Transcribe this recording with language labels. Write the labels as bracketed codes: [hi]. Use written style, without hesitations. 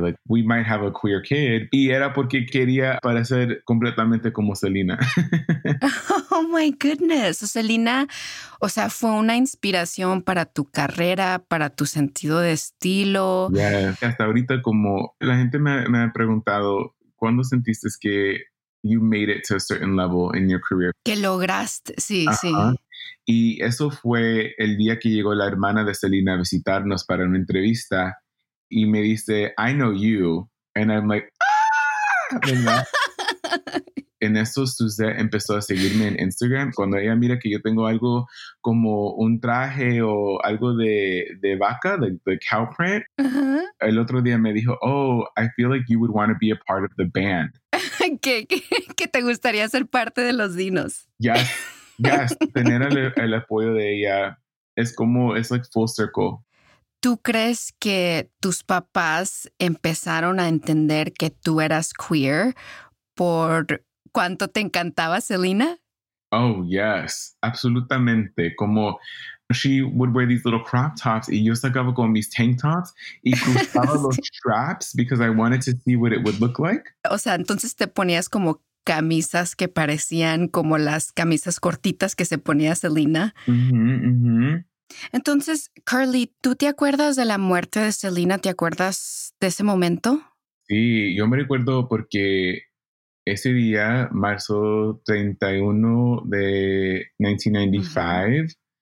[en] Like, we might have a queer kid. [es] Y era porque quería parecer completamente como Selena. [en] Oh, my goodness. [es] Selena, o sea, fue una inspiración para tu carrera, para tu sentido de estilo. [en] Yeah. [es] Hasta ahorita, como la gente me ha preguntado, ¿cuándo sentiste que... [en] You made it to a certain level in your career. [es] Que lograste, sí, uh-huh. Sí. Y eso fue el día que llegó la hermana de Selena a visitarnos para una entrevista y me dice, [en] I know you. And I'm like, ¡ah! [es] En eso Suzette empezó a seguirme en Instagram. Cuando ella mira que yo tengo algo como un traje o algo de vaca, [en] the cow print, [es] uh-huh. El otro día me dijo, [en] oh, I feel like you would want to be a part of the band. [es] Que te gustaría ser parte de los dinos. [en] Yes, yes. [es] Tener el apoyo de ella es como, es [en] like full circle. [es] ¿Tú crees que tus papás empezaron a entender que tú eras queer por cuánto te encantaba Selena? [en] Oh, yes, [es] absolutamente. [en] Como, she would wear these little crop tops [es] y yo sacaba con mis [en] tank tops [es] y cruzaba sí. [en] Los straps because I wanted to see what it would look like. [es] O sea, entonces te ponías como camisas que parecían como las camisas cortitas que se ponía Selena. Mm-hmm, mm-hmm. Entonces, Carly, ¿tú te acuerdas de la muerte de Selena? ¿Te acuerdas de ese momento? Sí, yo me recuerdo porque ese día, marzo 31 de 1995, mm-hmm.